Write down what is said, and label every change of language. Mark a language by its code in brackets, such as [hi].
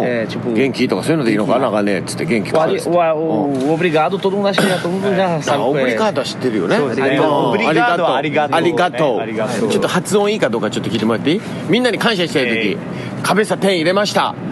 [ja] tipo genki とかそういうのでいいのかなかねっつって genki [pt] obrigado todo mundo acha todo mundo já sabe [ja] obrigado は知ってるよね。 [pt] obrigado [ja] obrigado ちょっと発音いいかどうかちょっと聞いてもらっていい。みんなに感謝したい時カベサ点入れました。